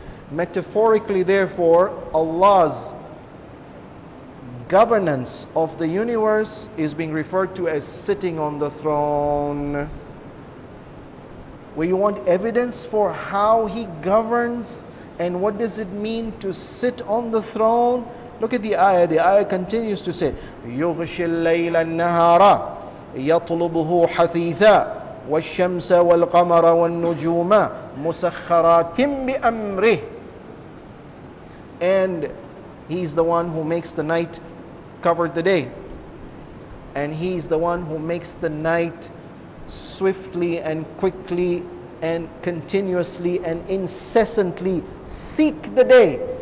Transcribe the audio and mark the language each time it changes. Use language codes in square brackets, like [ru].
[en] Metaphorically, therefore, Allah's governance of the universe is being referred to as sitting on the throne. Where you want evidence for how he governs and what does it mean to sit on the throne, look at the ayah. [ar] The ayah continues to say, يُغْشِ اللَّيْلَ النَّهَارَ يَطْلُبُهُ حَثِيثًا وَالشَّمْسَ وَالْقَمَرَ وَالنُّجُومَ مُسَخَّرَاتٍ بِأَمْرِهِ. [en] And he's the one who makes the night cover the day, and he's the one who makes the night swiftly and quickly and continuously and incessantly seek the day.